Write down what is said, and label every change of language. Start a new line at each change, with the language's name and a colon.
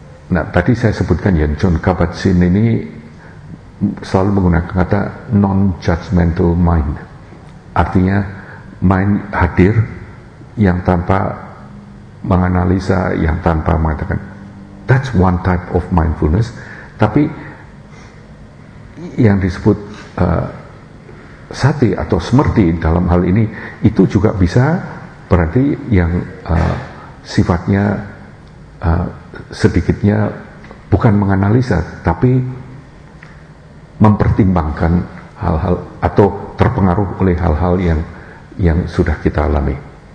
Indonesian: Nah, tadi saya sebutkan ya, John Kabat-Zinn ini selalu menggunakan kata non-judgmental mind. Artinya mind hadir yang tanpa menganalisa, yang tanpa mengatakan.
English: That's one type of mindfulness.
Indonesian: Tapi yang disebut sati atau smerti dalam hal ini itu juga bisa berarti yang sifatnya sedikitnya bukan menganalisa tapi mempertimbangkan hal-hal atau terpengaruh oleh hal-hal yang sudah kita alami.